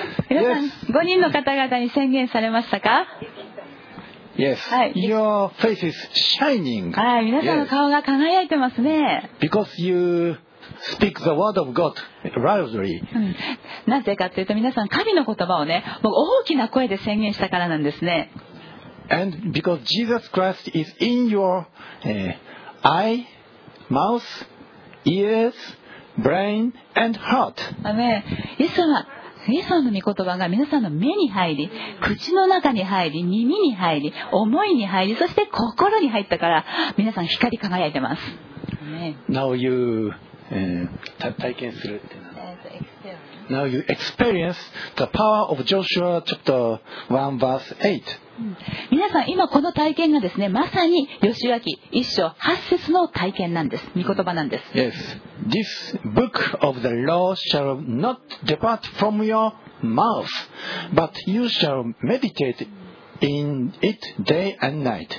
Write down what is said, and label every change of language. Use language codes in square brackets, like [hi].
[ja] 皆さん、yes. 5人の方々に宣言されましたか？ [en] Yes.、 [ja] はい、 [en] Your face is shining. [ja] はい、皆さんの顔が輝いてますね。 [en] Because you speak the word of God loudly. [ja] なぜかというと、皆さん神の言葉をね、もう大きな声で宣言したからなんですね。 [en] And because Jesus Christ is in your、eye, mouth, ears. Brain and heart. Amen. [ja] イエス様の御言葉が皆さんの目に入り、口の中に入り、耳に入り、思いに入り、そして心に入ったから皆さん光り輝いてます。 [en] Now you [ja] 体験するっていうのは。 [en] Now you experience the power of Joshua chapter 1 verse 8. [ja] 皆さん今この体験がですね、まさにヨシュア記一章八節の体験なんです。御言葉なんです。 [en] Yes. This book of the law shall not depart from your mouth, but you shall meditate in it day and night.